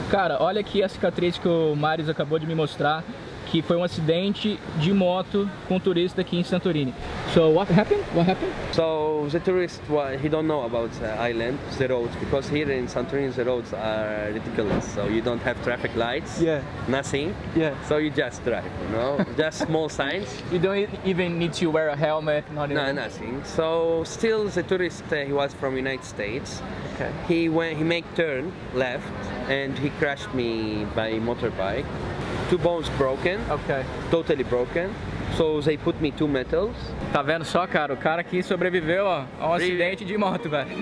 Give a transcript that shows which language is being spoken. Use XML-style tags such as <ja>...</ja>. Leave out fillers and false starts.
<pt>Cara, olha aqui a cicatriz que o Marius acabou de me mostrar, que foi um acidente de moto com um turista aqui em Santorini.</pt> <en>So what happened? What happened? So the tourist, he don't know about the island, the roads, because here in Santorini the roads are ridiculous. So you don't have traffic lights. Yeah. Nothing. Yeah. So you just drive, you know, just small signs. You don't even need to wear a helmet. Not even. No, nothing. So still the tourist, he was from United States. Okay. He make turn left and he crashed me by motorbike. Two bones broken. Okay. Totally broken. So they put me two metals.</en> <pt>Tá vendo só, cara? O cara aqui sobreviveu, ó, a um acidente de moto, velho.</pt>